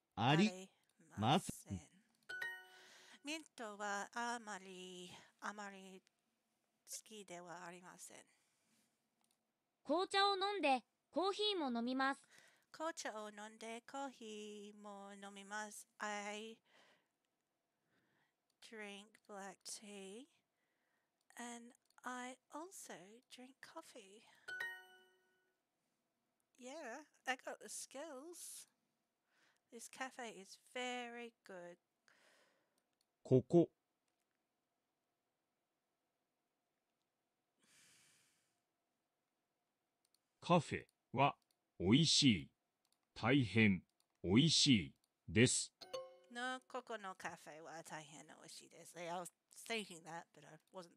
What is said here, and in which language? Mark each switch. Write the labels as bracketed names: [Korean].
[Japanese] ありません。ミントはあまり好きではありません。紅茶を飲んでコーヒーも飲みます。紅茶を飲んでコーヒーも飲みます。 [English] I drink black tea and I also drink coffee. Yeah, I got the skills. This cafe is very good. [Japanese] ここ。カフェはおいしい。大変おいしいです。 No, ここのカフェは大変おいしいです。 [English] I was thinking that, but I wasn't thinking.